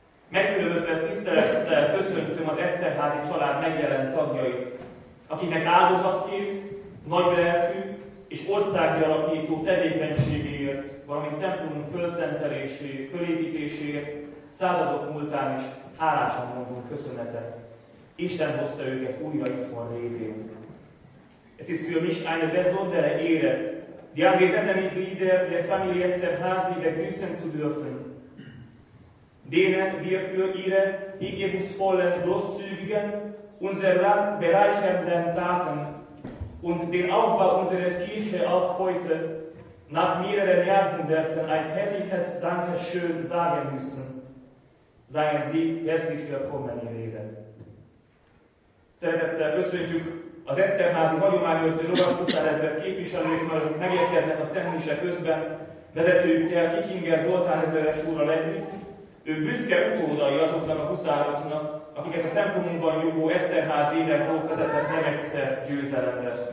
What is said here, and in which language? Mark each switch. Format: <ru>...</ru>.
<hu>Megkülönözve tisztelettel köszöntöm az Eszterházi család megjelent tagjait, akinek áldozatkész, nagylelkű és országgyalapító tevékenységéért, valamint templomunk fölszenteléséért, fölépítéséért századok múltán is hálásan mondunk köszönetet. Isten hozta őket újra itthon révén.</hu> <de>Es ist für mich eine besondere Ehre, die anwesenden Mitglieder der Familie Eszterházi begrüßen zu dürfen, denen wir für ihre hingebungsvollen, großzügigen, unser Land bereichernden Taten und den Aufbau unserer Kirche auch heute nach mehreren Jahrhunderten ein herrliches Dankeschön sagen müssen. Seien Sie herzlich willkommen, ihr Lieben.</de> <hu>Szeretettel köszöntjük az Eszterházi hagyományőrző Lovas Huszárezred képviselőit, mert megérkeznek a szentmise közben, vezetőjükkel Kikinger Zoltán ezredes úrral együtt. Ők büszke utódai azoknak a huszároknak, akiket a templomunkban nyugvó Eszterházi énekről vezetett nem egyszer győzelemre.</hu>